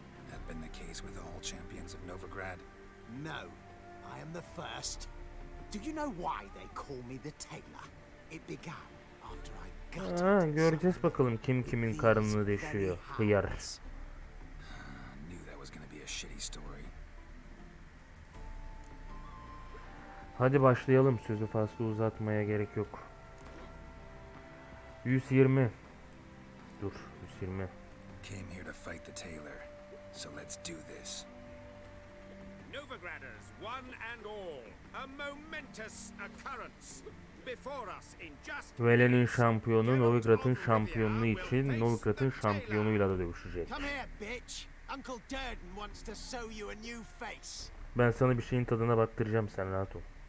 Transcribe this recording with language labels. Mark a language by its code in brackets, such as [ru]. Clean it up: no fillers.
[en] That been the case with all champions of Novigrad? No, I am the first. Do you know why they call me the tailor? It began after I gutted. [tr] Ha, göreceğiz bakalım kim kimin karnını deşiyor, hıyar. [en] Knew that was gonna be a shitty story. [tr] Hadi başlayalım, sözü fazla uzatmaya gerek yok. [en] 120. Dur, 120. Came here to fight the tailor. So let's do this. Novigraders, one and all. A momentous occurrence before us in just. [tr] Velen'in şampiyonu, Novigrad'ın şampiyonluğu için Novigrad'ın şampiyonuyla da dövüşecek. [en] Come here, bitch. Uncle Durden wants to show you a new face. [tr] Ben sana bir şeyin tadına baktıracağım, sen rahat ol.